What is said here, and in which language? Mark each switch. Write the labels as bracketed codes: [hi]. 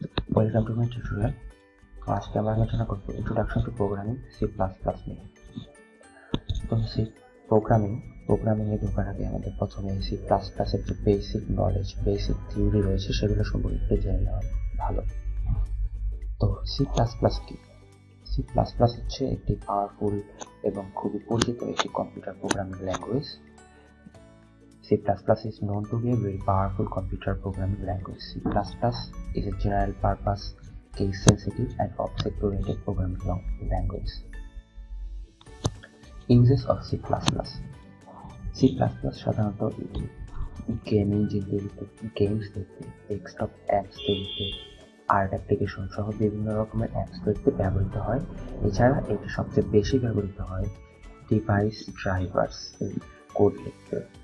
[en] Welcome to my tutorial. Class camera is going to be introduction to programming C++. So, programming is going to be the C++ is the basic knowledge, basic theory, which is going to be the general. So, C++ key. [bn] C++ হচ্ছে একটি powerful এবং খুব পরিচিত একটি computer programming language. [en] C++ is known to be a very powerful computer programming language. C++ is a general purpose case sensitive and object oriented programming language. Uses of C++. [bn] C++ সাধারণত gaming জিনিসগুলিতে, games দেখতে, desktop apps দেখতে, art application সহ বিভিন্ন রকমের apps তৈরিতে ব্যবহৃত হয়। এছাড়া এটি সবচেয়ে বেশি ব্যবহৃত হয় ডিভাইস ড্রাইভার্স কোড লিখতে।